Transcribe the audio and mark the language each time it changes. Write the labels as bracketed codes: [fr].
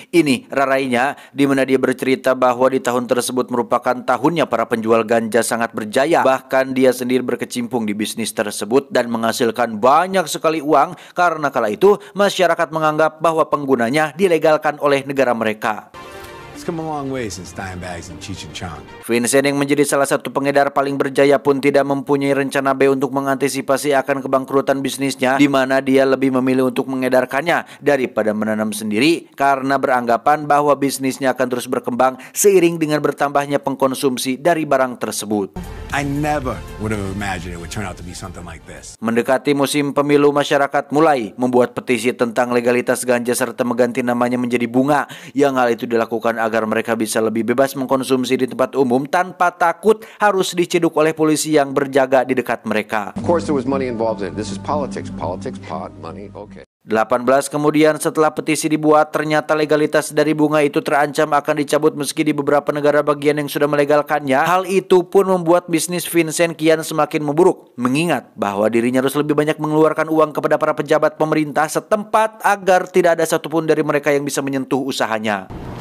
[id] Ini rarainya, di mana dia bercerita bahwa di tahun tersebut merupakan tahunnya para penjual ganja sangat berjaya. Bahkan dia sendiri berkecimpung di bisnis tersebut dan menghasilkan banyak sekali uang karena kala itu masyarakat menganggap bahwa penggunanya dilegalkan oleh negara mereka. [en] It's come a long way since Dimebags and Cheech and Chong. [id] Vincent yang menjadi salah satu pengedar paling berjaya pun tidak mempunyai rencana B untuk mengantisipasi akan kebangkrutan bisnisnya, di mana dia lebih memilih untuk mengedarkannya daripada menanam sendiri karena beranggapan bahwa bisnisnya akan terus berkembang seiring dengan bertambahnya pengkonsumsi dari barang tersebut. [en] I never would have imagined it would turn out to be something like this. [id] Mendekati musim pemilu, masyarakat mulai membuat petisi tentang legalitas ganja serta mengganti namanya menjadi bunga. Yang hal itu dilakukan agar mereka bisa lebih bebas mengkonsumsi di tempat umum tanpa takut harus diciduk oleh polisi yang berjaga di dekat mereka. [en] Of course there was money involved in it. This is politics, politics, pot, money. Okay. [id] 18 kemudian setelah petisi dibuat, ternyata legalitas dari bunga itu terancam akan dicabut meski di beberapa negara bagian yang sudah melegalkannya. Hal itu pun membuat bisnis Vincent kian semakin memburuk, mengingat bahwa dirinya harus lebih banyak mengeluarkan uang kepada para pejabat pemerintah setempat agar tidak ada satupun dari mereka yang bisa menyentuh usahanya.